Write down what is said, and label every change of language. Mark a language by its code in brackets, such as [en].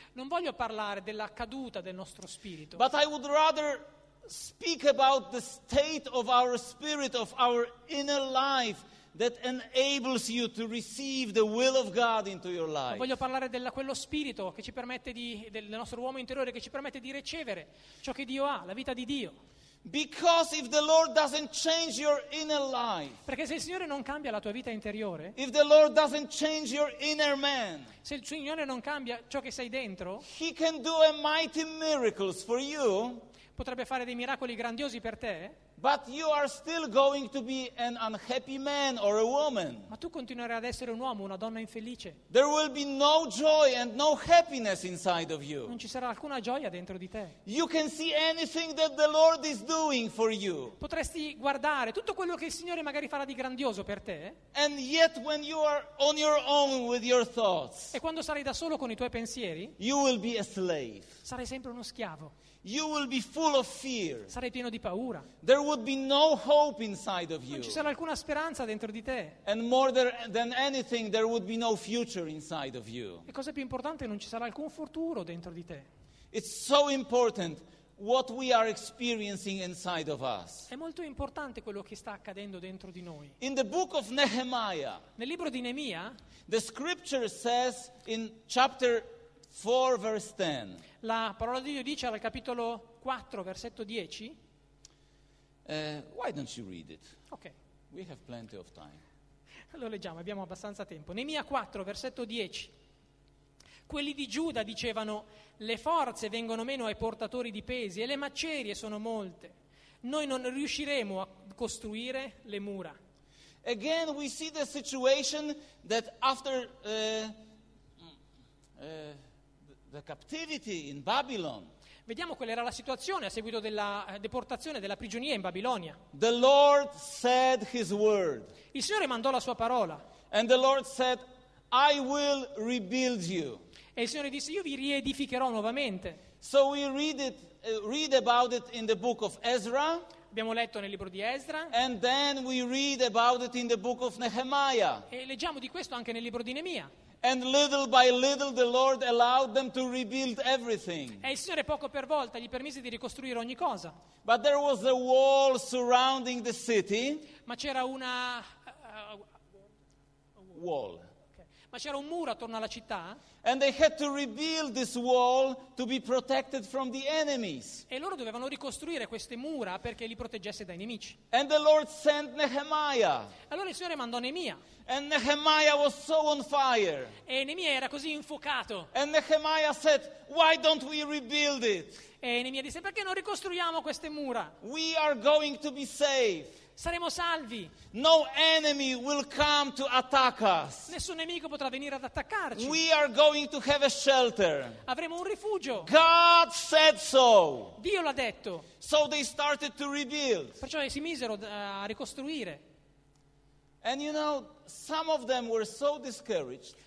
[it] Non voglio parlare della caduta del nostro spirito. [en] But I would rather speak about the state of our spirit, of our inner life, that enables you to receive the will of God into your life. [it] Voglio parlare della quello spirito che ci permette di del nostro uomo interiore che ci permette di ricevere ciò che Dio ha, la vita di Dio. [en] Because if the Lord doesn't change your inner life, [it] perché se il Signore non cambia la tua vita interiore, [en] if the Lord doesn't change your inner man, [it] se il Signore non cambia ciò che sei dentro, [en] He can do a mighty miracles for you. [it] Potrebbe fare dei miracoli grandiosi per te. [en] But you are still going to be an unhappy man or a woman. [it] Ma tu continuerai ad essere un uomo, una donna infelice. [en] There will be no joy and no happiness inside of you. [it] Non ci sarà alcuna gioia dentro di te. [en] You can see anything that the Lord is doing for you. [it] Potresti guardare tutto quello che il Signore magari farà di grandioso per te. [en] And yet when you are on your own with your thoughts. [it] E quando sarai da solo con i tuoi pensieri? [en] You will be a slave. [it] Sarai sempre uno schiavo. [en] You will be full of fear. [it] Sarai pieno di paura. [en] There would be no hope inside of you. [it] Non ci sarà alcuna speranza dentro di te. [en] And more than anything, there would be no future inside of you. [it] E cosa più importante, non ci sarà alcun futuro dentro di te. [en] It's so important what we are experiencing inside of us. [it] È molto importante quello che sta accadendo dentro di noi. [en] In the book of Nehemiah, [it] nel libro di Neemia, [en] the scripture says in chapter 4 verse 10. [it] La parola di Dio dice al capitolo 4 versetto 10. [en] Why don't you read it? Okay. We have plenty of time. [it] Lo leggiamo, abbiamo abbastanza tempo. Neemia 4 versetto 10. Quelli di Giuda dicevano: "Le forze vengono meno ai portatori di pesi e le macerie sono molte. Noi non riusciremo a costruire le mura." [en] Again we see the situation that after the captivity in Babylon. [it] Vediamo qual era la situazione a seguito della deportazione della prigionia in Babilonia. [en] The Lord said his word. [it] Il Signore mandò la sua parola. [en] And the Lord said, I will rebuild you. [it] E il Signore disse, io vi riedificherò nuovamente. [en] So we read about it in the book of Ezra. [it] Abbiamo letto nel libro di Ezra. [en] And then we read about it in the book of Nehemiah. [it] E leggiamo di questo anche nel libro di Neemia. [en] And little by little the Lord allowed them to rebuild everything. [it] E il Signore poco per volta gli permise di ricostruire ogni cosa. [en] But there was a wall surrounding the city. [it] Ma c'era una [en] wall. [it] Ma c'era un muro attorno alla città. [en] And they had to rebuild this wall to be protected from the enemies. [it] E loro dovevano ricostruire queste mura perché li proteggesse dai nemici. [en] And the Lord sent Nehemiah. [it] Allora il Signore mandò Neemia. [en] And Nehemiah was so on fire. [it] E Neemia era così infuocato. [en] And Nehemiah said, "Why don't we rebuild it?" [it] E Neemia disse, "Perché non ricostruiamo queste mura?" [en] We are going to be safe. [it] Saremo salvi. [en] No enemy will come to attack us. [it] Nessun nemico potrà venire ad attaccarci. [en] We are going to have a shelter. [it] Avremo un rifugio. [en] God said so. [it] Dio l'ha detto. [en] So they started to rebuild. [it] Perciò si misero a ricostruire. [en] And you know, some of them were so discouraged.